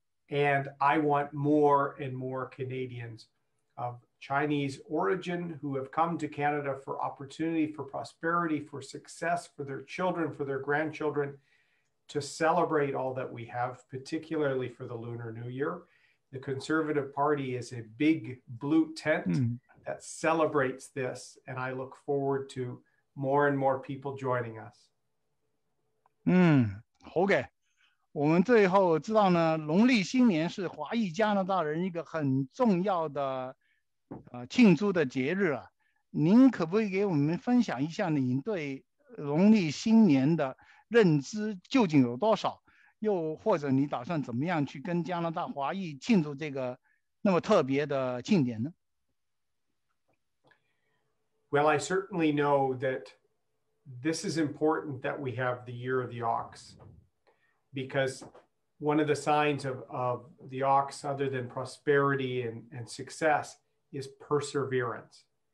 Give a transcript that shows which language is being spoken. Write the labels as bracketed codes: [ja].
[en] And I want more and more Canadians of Chinese origin who have come to Canada for opportunity, for prosperity, for success, for their children, for their grandchildren, to celebrate all that we have, particularly for the Lunar New Year. The Conservative Party is a big blue tent that celebrates this. And I look forward to more and more people joining us. Okay. [zh] 我们最后知道呢，农历新年是华裔加拿大人一个很重要的，庆祝的节日啊。您可不可以给我们分享一下您对农历新年的认知究竟有多少？又或者你打算怎么样去跟加拿大华裔庆祝这个那么特别的庆典呢 [en] ？Well, I certainly know that this is important that we have the Year of the Ox. Because one of the signs of the ox, other than prosperity and success, is perseverance.